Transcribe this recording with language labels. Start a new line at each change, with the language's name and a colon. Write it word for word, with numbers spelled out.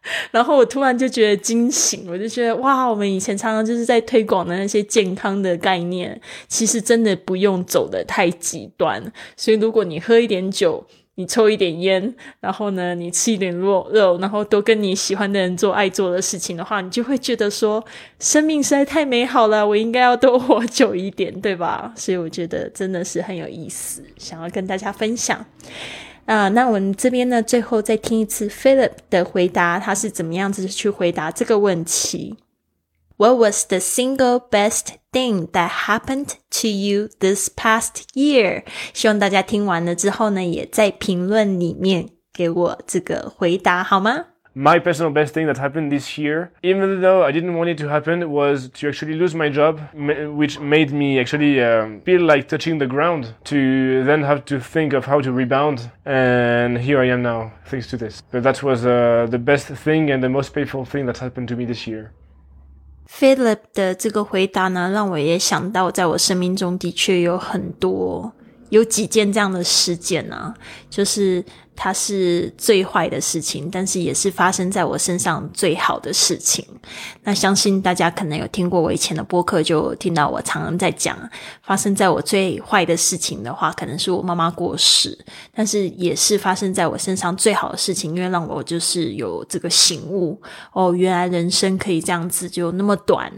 Chinese: 然后我突然就觉得惊醒，我就觉得哇，我们以前常常就是在推广的那些健康的概念，其实真的不用走得太极端，所以如果你喝一点酒，你抽一点烟，然后呢你吃一点肉肉，然后多跟你喜欢的人做爱做的事情的话，你就会觉得说生命实在太美好了，我应该要多活久一点对吧，所以我觉得真的是很有意思，想要跟大家分享啊、呃，那我们这边呢最后再听一次 Philip 的回答，他是怎么样子去回答这个问题。
English: What was the single best thing that happened to you this past year?
Chinese: 希望大家听完了之后呢也在评论里面给我这个回答好吗？
English: My personal best thing that happened this year, even though I didn't want it to happen, was to actually lose my job, which made me actually um, feel like touching the ground, to then have to think of how to rebound. And here I am now, thanks to this. But that was uh, the best thing and the most painful thing that happened to me this year.
Chinese: Philip 的这个回答呢，让我也想到在我生命中的确有很多有几件这样的事件啊，就是它是最坏的事情，但是也是发生在我身上最好的事情。那相信大家可能有听过我以前的播客，就听到我常常在讲，发生在我最坏的事情的话，可能是我妈妈过世，但是也是发生在我身上最好的事情，因为让我就是有这个醒悟，哦，原来人生可以这样子，就那么短。